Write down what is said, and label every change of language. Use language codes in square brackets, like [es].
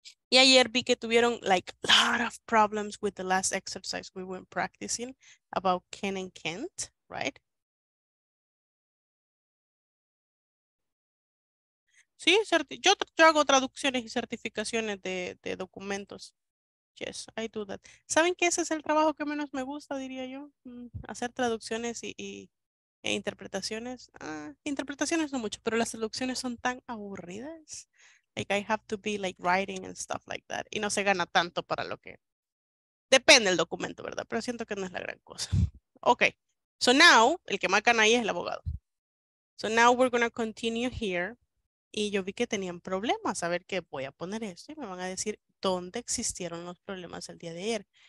[es] Y ayer vi que tuvieron [en] like a lot of problems with the last exercise we were practicing about can and can't, right? [es] Sí, yo hago traducciones y certificaciones de documentos. [en] Yes, I do that. [es] ¿Saben que ese es el trabajo que menos me gusta, diría yo? Hacer traducciones e interpretaciones. Interpretaciones no mucho, pero las traducciones son tan aburridas. [en] Like I have to be like writing and stuff like that. [es] Y no se gana tanto para lo que... Depende el documento, ¿verdad? Pero siento que no es la gran cosa. Okay. [en] So now, [es] el que marcan ahí es el abogado. [en] So now we're going to continue here. [es] Y yo vi que tenían problemas. A ver qué voy a poner esto. Y me van a decir dónde existieron los problemas el día de ayer.